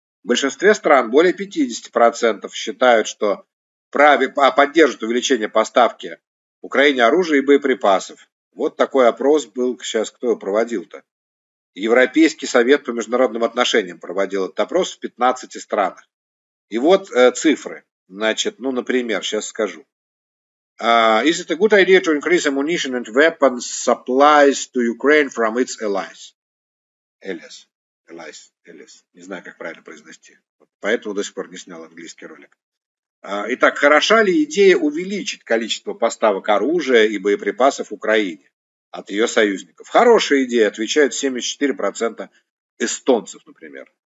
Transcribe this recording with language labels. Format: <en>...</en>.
<ru>В большинстве стран более 50% считают, что поддержат увеличение поставки Украине оружия и боеприпасов. Вот такой опрос был сейчас, кто его проводил-то? Европейский совет по международным отношениям проводил этот опрос в 15 странах. И вот цифры. Значит, ну, например, сейчас скажу.</ru> <en>Is it a good idea to increase ammunition and weapons supplies to Ukraine from its allies? Allies.</en> <ru>Не знаю, как правильно произнести. Вот. Поэтому до сих пор не снял английский ролик. Итак, хороша ли идея увеличить количество поставок оружия и боеприпасов Украине от ее союзников? Хорошая идея, отвечают 74% эстонцев, например.</ru>